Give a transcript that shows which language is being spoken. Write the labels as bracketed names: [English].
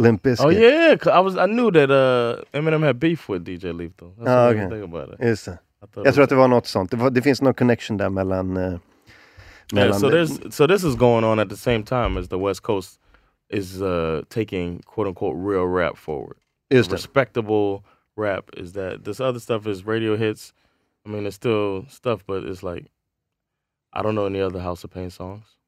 [English] Oh, yeah, because I knew that Eminem had beef with DJ Lethal. That's what I think about it. [Swedish] Just det. Jag tror att det var något sånt. Det finns någon connection där mellan... [English] So this is going on at the same time as the West Coast is taking, quote-unquote, real rap forward. [Swedish] Just det. [English] Respectable rap is that... This other stuff is radio hits. I mean, it's still stuff, but it's like... I don't know any other House of Pain songs.